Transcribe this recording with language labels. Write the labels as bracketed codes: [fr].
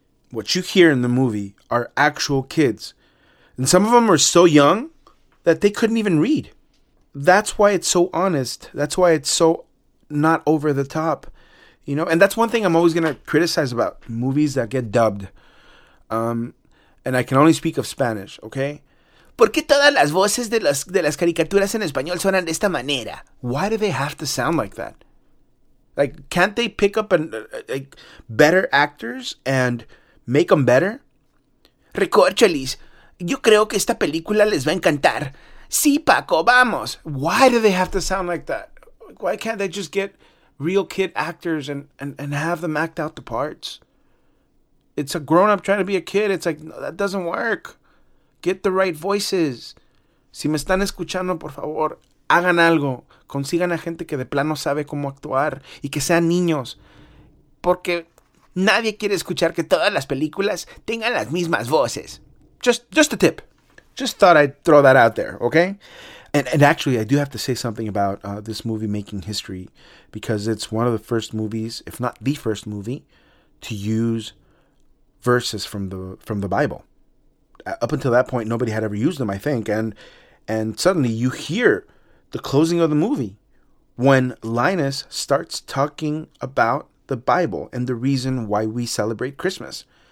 [en] What you hear in the movie are actual kids, and some of them are so young that they couldn't even read. That's why it's so honest. That's why it's so not over the top, you know? And that's one thing I'm always going to criticize about movies that get dubbed. And I can only speak of Spanish, okay? [es] ¿Por qué todas las voces de las caricaturas en español suenan de esta manera? [en] Why do they have to sound like that? Like, can't they pick up better actors and make them better? [es] Recórcholis, yo creo que esta película les va a encantar. Sí, Paco, vamos. [en] Why do they have to sound like that? Why can't they just get real kid actors and have them act out the parts? It's a grown-up trying to be a kid. It's like, no, that doesn't work. Get the right voices. [es] Si me están escuchando, por favor, hagan algo. Consigan a gente que de plano sabe cómo actuar y que sean niños. Porque nadie quiere escuchar que todas las películas tengan las mismas voces. [en] Just a tip. Just thought I'd throw that out there, okay? And actually, I do have to say something about this movie making history, because it's one of the first movies, if not the first movie, to use verses from the Bible. Up until that point, nobody had ever used them, I think. And suddenly you hear the closing of the movie when Linus starts talking about the Bible and the reason why we celebrate Christmas.